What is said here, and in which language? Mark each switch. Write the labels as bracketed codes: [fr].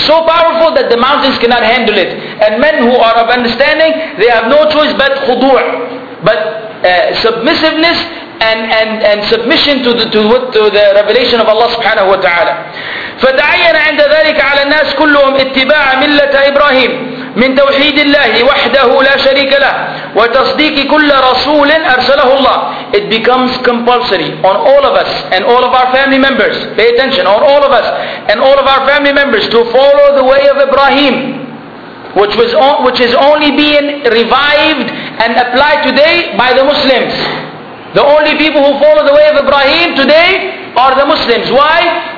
[en] So powerful that the mountains cannot handle it. And men who are of understanding, they have no choice but khudu', but submissiveness and submission to the revelation of Allah subhanahu wa ta'ala. [ar] فَتَعَيَّنَ عِنْدَ ذَلِكَ عَلَى النَّاسِ كُلُّهُمْ اتِّبَاعَ مِلَّةَ إِبْرَاهِيمِ من توحيد الله وحده لا شريك له وتصديق كل رسول أرسله الله. [en] It becomes compulsory on all of us and all of our family members. Pay attention, on all of us and all of our family members to follow the way of Ibrahim, which is only being revived and applied today by the Muslims. The only people who follow the way of Ibrahim today are the Muslims. Why?